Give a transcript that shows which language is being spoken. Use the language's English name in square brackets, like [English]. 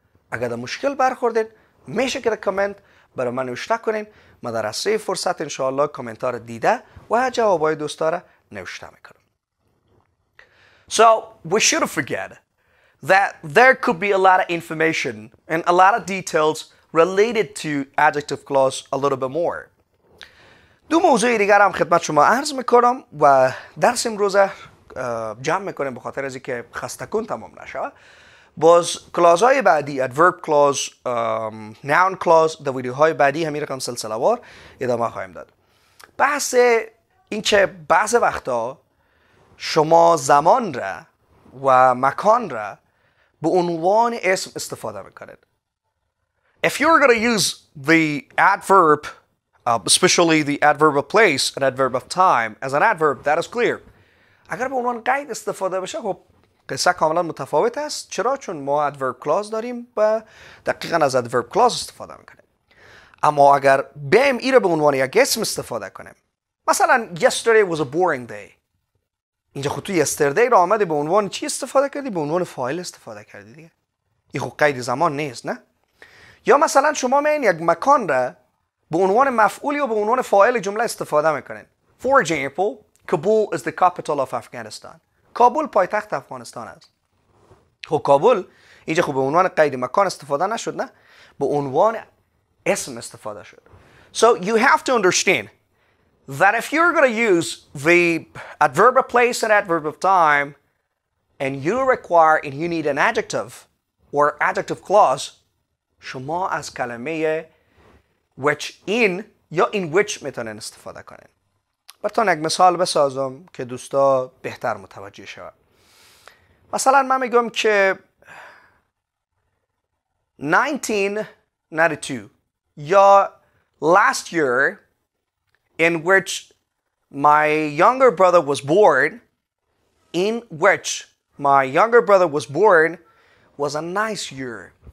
[Persian] اگر در مشکل برخوردین، میشه که در کامنت برای من نوشته کنین. ما در اصلی فرصت انشاءالله کامنت ها را دیده و جوابای دوستا را نوشته میکنم. [English] So, we should forget that there could be a lot of information and a lot of details related to adjective clause a little bit more. [Persian] دو موضوع دیگر هم خدمت شما عرض میکنم و درس امروز جمع میکنیم بخاطر از اینکه خسته کن تمام نشه. باز کلاس های بعدی adverb clause, noun clause در ویدیو های بعدی همین رقم سلسله وار ادامه خواهیم داد. بحث این که بعض وقتا شما زمان را و مکان را به عنوان اسم استفاده میکنید. [English] If you're going to use the adverb, especially the adverb of place, an adverb of time, as an adverb, that is clear. [Persian] اگر به عنوان قید استفاده بشه، خب قصه کاملا متفاوت است. چرا؟ چون ما adverb clause داریم و دقیقا از adverb clause استفاده میکنیم. اما اگر بیم ایره به عنوان یک اسم استفاده کنیم، مثلا [English] yesterday was a boring day. [Persian] اینجا خود تو yesterday را آمده به عنوان چی استفاده کردی؟ به عنوان فایل استفاده کردی دیگه. این خود قید زمان نیست، نه؟ یا مثلا شما میان یک مکان را به عنوان مفعول یا به عنوان فاعل جمله استفاده میکنین. [English] For example, Kabul is the capital of Afghanistan. [Persian] کابل پایتخت افغانستان است. خب کابل اینجا خب به عنوان قید مکان استفاده نشد، نه؟ به عنوان اسم استفاده شد. [English] So you have to understand that if you're going to use the adverb of place and adverb of time and you require and you need an adjective or adjective clause, [Persian] شما از کلمه which in یا in which میتونین استفاده کنین. براتون یک مثال بسازم که دوستا بهتر متوجه شود. مثلا من میگم که 1992 یا [English] last year in which my younger brother was born, in which my younger brother was born was a nice year.